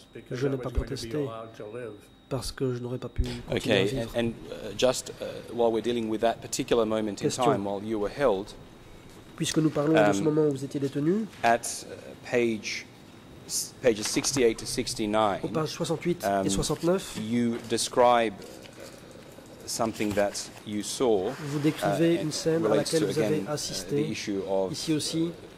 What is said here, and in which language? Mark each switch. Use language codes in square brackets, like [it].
[fr] Je n'ai pas protesté parce que je n'aurais pas pu continuer à vivre. [en] Okay, and just while we're dealing with that particular moment in time while you were held, [fr] puisque nous parlons de ce moment où vous étiez détenu, [en] at pages 68 to 69, [fr] et 69, [en] you describe something that you saw, [fr] vous décrivez une scène à laquelle vous avez assisté, ici aussi,